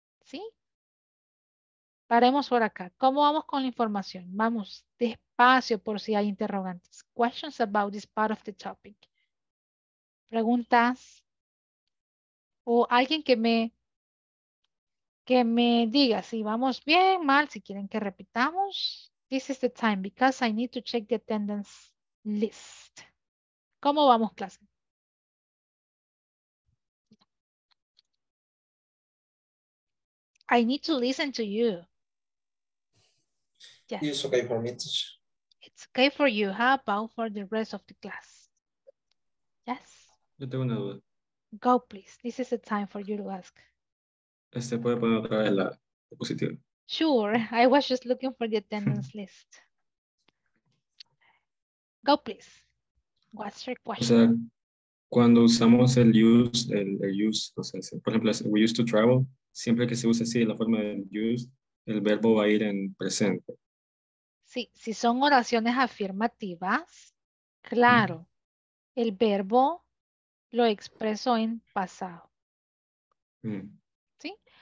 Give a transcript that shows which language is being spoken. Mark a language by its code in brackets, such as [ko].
[es] ¿Sí? Paremos por acá. ¿Cómo vamos con la información? Vamos despacio por si hay interrogantes. [en] Questions about this part of the topic. [es] Preguntas. O alguien que me diga si vamos bien, mal, si quieren que repitamos. [en] This is the time because I need to check the attendance list. ¿Cómo vamos, clase? I need to listen to you. Yes. It's okay for me. It's okay for you. How about for the rest of the class? Yes. [es] Yo tengo una duda. [en] Go, please. This is the time for you to ask. [es] Este puede poner otra vez la diapositiva. [en] Sure. I was just looking for the attendance list. Go, please. What's your question? [es] O sea, cuando usamos el use, o sea, por ejemplo, [en] we used to travel, [es] siempre que se use así la forma de use, el verbo va a ir en presente. Sí, si son oraciones afirmativas, claro, el verbo lo expreso en pasado. ¿Sí?